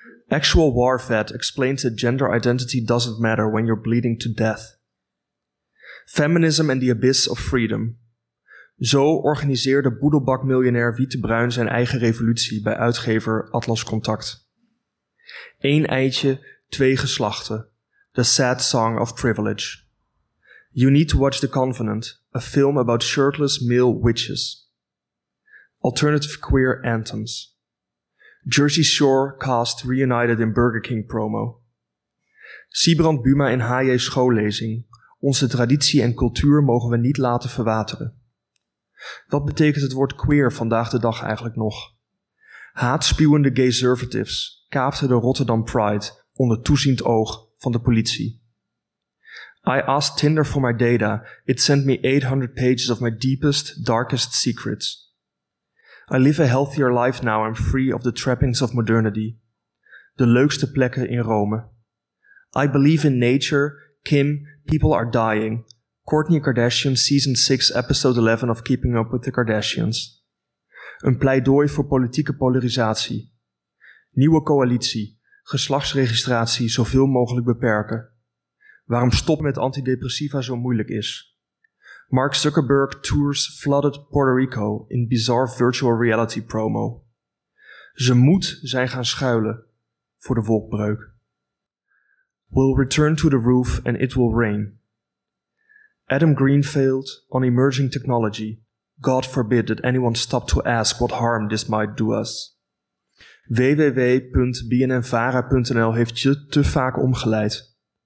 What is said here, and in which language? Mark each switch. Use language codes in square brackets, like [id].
[en] Actual War Vet explains that gender identity doesn't matter when you're bleeding to death. Feminism and the Abyss of Freedom. [nl] Zo organiseerde boedelbakmiljonair Wiete Bruin zijn eigen revolutie bij uitgever Atlas Contact. Eén eitje, twee geslachten. [en] The Sad Song of Privilege. You Need to Watch The Covenant, a film about shirtless male witches. Alternative Queer Anthems. Jersey Shore cast reunited in Burger King promo. [nl] Sybrand Buma in H.J. schoollezing. Onze traditie en cultuur mogen we niet laten verwateren. Wat betekent het woord queer vandaag de dag eigenlijk nog? Haatspuwende gayservatives kaapten de Rotterdam Pride onder toeziend oog van de politie. [en] I asked Tinder for my data. It sent me 800 pages of my deepest, darkest secrets. I live a healthier life now, I'm free of the trappings of modernity. [nl] De leukste plekken in Rome. [en] I believe in nature, Kim, people are dying. Kourtney Kardashian, season 6, episode 11 of Keeping Up with the Kardashians. [nl] Een pleidooi voor politieke polarisatie. Nieuwe coalitie, geslachtsregistratie zoveel mogelijk beperken. Waarom stoppen met antidepressiva zo moeilijk is. [en] Mark Zuckerberg tours flooded Puerto Rico in bizarre virtual reality promo. [nl] Ze moet zijn gaan schuilen voor de wolkbreuk. [en] We'll return to the roof and it will rain. Adam Greenfield on emerging technology. God forbid that anyone stop to ask what harm this might do us. [nl] www.bnnvara.nl heeft je te vaak omgeleid.